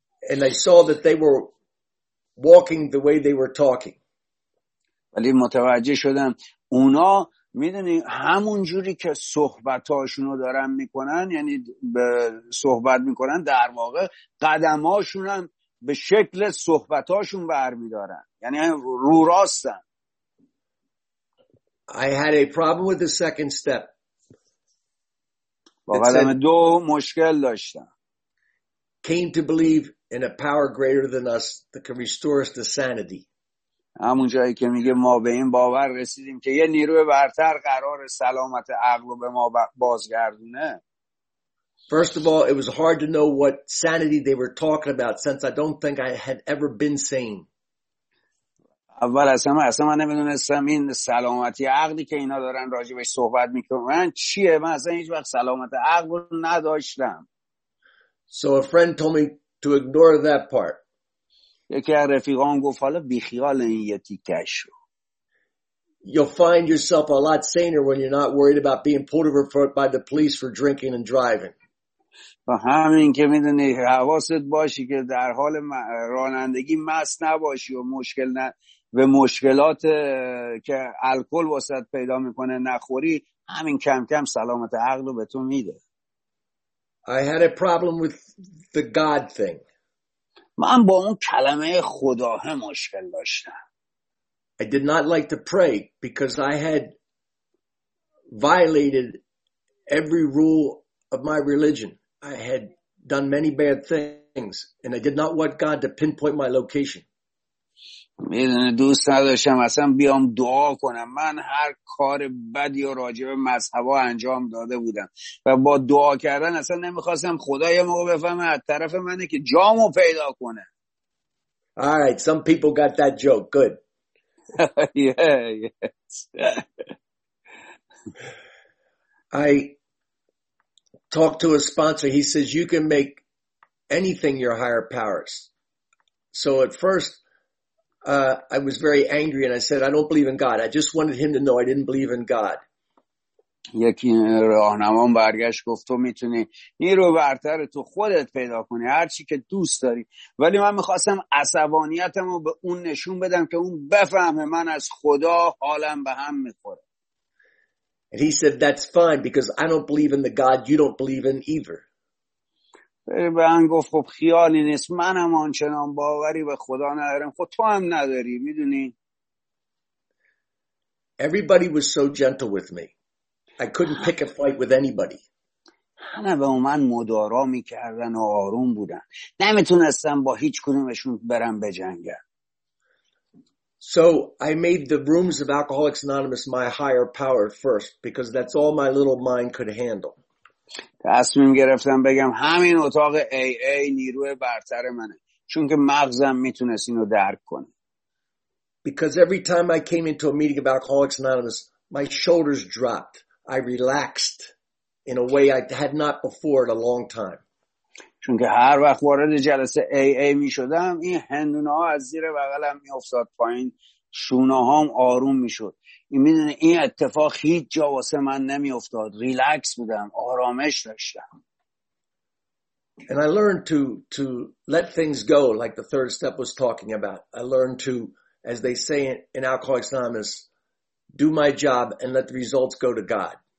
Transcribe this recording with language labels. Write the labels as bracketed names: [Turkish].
[English] And I saw that they were walking the way they were talking. [Persian] ولی متوجه شدم اونا میدونی همون جوری که صحبتاشون رو دارن میکنن، یعنی به صحبت میکنن، در واقع قدماشون هم به شکل صحبتاشون برمیدارن، یعنی رو راستن. [English] I had a problem with the second step. [Persian] با قدم دو مشکل داشتم. [English] Came to believe in a power greater than us that can restore us to sanity. [Persian] همون جایی که میگه ما به این باور رسیدیم که یه نیروی برتر قرار سلامت عقل رو به ما بازگردونه. [English] First of all, it was hard to know what sanity they were talking about since I don't think I had ever been sane. [Persian] اول از همه اصلا من نمیدونستم این سلامتی عقلی که اینا دارن راجبش صحبت میکنن چیه. من اصلا هیچ وقت سلامت عقل رو نداشتم. [English] So a friend told me to ignore that part. [Persian] یکی از رفیقان گفت حالا بیخیال این یه تیکش رو. [English] You'll find yourself a lot saner when you're not worried about being pulled over by the police for drinking and driving. [Persian] با همین که میدونی حواست باشی که در حال رانندگی مست نباشی و مشکل نه و مشکلات که الکل واسط پیدا میکنه نخوری، همین کم کم سلامت عقل رو به تو میده. [English] I had a problem with the God thing. [Persian] من با اون کلمه خدا هم مشکل داشتم. [English] I did not like to pray because I had violated every rule of my religion. I had done many bad things and I did not want God to pinpoint my location. [Persian] میدونه دوست نداشتم اصلا بیام دعا کنم. من هر کار بدی و راجع به مذهب ها انجام داده بودم و با دعا کردن اصلا نمیخواستم خدا یه موقع بفهمه از طرف منه که جامو پیدا کنه. [English] Alright, some people got that joke. Good. Yeah, yes. I talked to a sponsor. He says you can make anything your higher powers. So at first I was very angry and I said I don't believe in God. I just wanted him to know I didn't believe in God. [Persian] یکی راهنمام برگشت گفت تو میتونی نیرو برتر تو خودت پیدا کنی، هر چی که دوست داری، ولی من میخواستم عصبانیتمو به اون نشون بدم که اون بفهمه من از خدا حالم به هم میخوره. [English] And he said that's fine because I don't believe in the God you don't believe in either. [Persian] به من گفت خب خیالی نیست، منم آنچنان باوری به خدا ندارم، خب تو هم نداری. میدونی [English] everybody was so gentle with me I couldn't pick a fight with anybody. [Persian] همه به من مدارا میکردن و آروم بودن، نمیتونستم با هیچ کدومشون برم بجنگم. [English] So I made the rooms of Alcoholics Anonymous my higher power first because that's all my little mind could handle. [Persian] تصمیم گرفتم بگم همین اتاق AA نیروی برتر منه چون که مغزم میتونست اینو درک کنه. [English] Because every time I came into a meeting of Alcoholics Anonymous, my shoulders dropped. I relaxed in a way I had not before in a long time. [Persian] چون که هر وقت وارد جلسه AA میشدم این هندونه ها از زیر بغلم میافتاد پایین شونه هام آروم میشد. میدونه این اتفاق هیچ جا واسه من نمیافتاد. ریلکس بودم، آرامش داشتم. [English] And I learned to let things go like the third step was talking about. I learned to, as they say in Alcoholics Anonymous, do my job and let the results go to God.